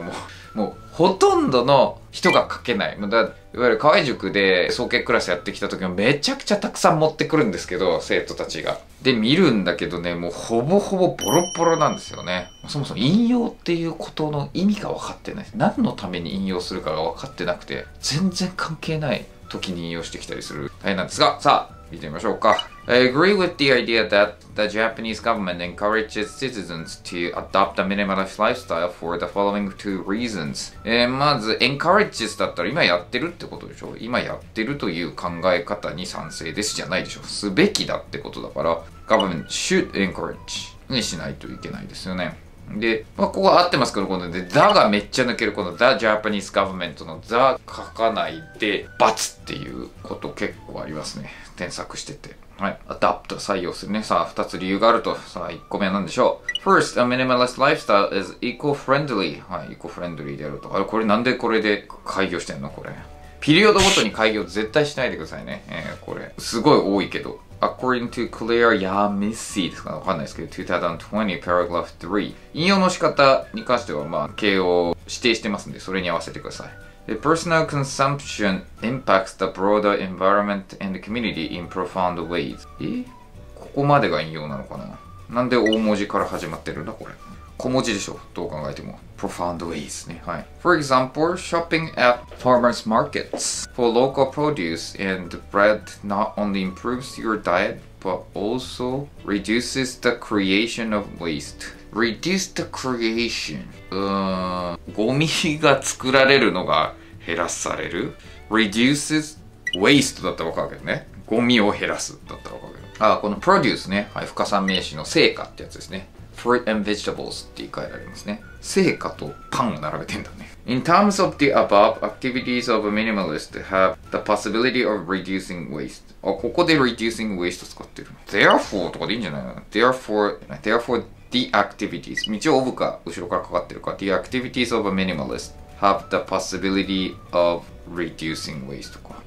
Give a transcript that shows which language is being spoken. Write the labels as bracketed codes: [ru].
[ja] もうほとんどの人が書けない。だ、いわゆる河合塾で総計クラスやってきた時もめちゃくちゃたくさん持ってくるんですけど、生徒たちが。で、見るんだけどね、もうほぼほぼボロボロなんですよね。そもそも引用っていうことの意味が分かってない。何のために引用するかが分かってなくて、全然関係ない時に引用してきたりする。大変なんですが、さあ、見てみましょうか。 [en] I agree with the idea that the Japanese government encourages citizens to adopt a minimalist lifestyle for the following two reasons. [ja] まず、encourages だったら今やってるってことでしょ。今やってるという考え方に賛成ですじゃないでしょ。すべきだってことだから、 government should encourage にしないといけないですよね。で、まあ、ここは合ってますけど、この、ね、the がめっちゃ抜ける、この the Japanese government の the 書かないで、×っていうこと結構ありますね。添削してて。はい、アダプト、採用するね。さあ、二つ理由があると。さあ、一個目は何でしょう。 [en] First, a minimalist lifestyle is eco-friendly. はい、eco-friendly であると。 [ja] あれ、これなんでこれで開業してんの、これ。ピリオドごとに開業絶対しないでくださいね。これ。すごい多いけど。 According to Claire Yamissi ですか、わかんないですけど、 2020 paragraph 3。引用の仕方に関しては、まあ、形を指定してますんで、それに合わせてください。 [en] The personal consumption impacts the broader environment and community in profound ways. [ja] え？ここまでが引用なのかな？なんで大文字から始まってるんだこれ。小文字でしょ、どう考えても。 [en] Profound ways ね。はい。 For example, shopping at farmers markets for local produce and bread not only improves your diet, but also reduces the creation of waste. Reduce the creation. [ja] ゴミが作られるのが減らされる。 Reduces waste だったら分かるけどね。ゴミを減らすだったら分かるけど。あ、この produce ね。はい、不可算名詞の成果ってやつですね。 Fruit and vegetables って言い換えられますね。成果とパンを並べてんだね。 [en] In terms of the above, activities of a minimalist have the possibility of reducing waste. [ja] あ、ここで reducing waste 使ってる。Therefore とかでいいんじゃないの？ Therefore,The activities, 道をオブか後ろからかかってるか。 [en] The activities of a minimalist have the possibility of reducing waste とか。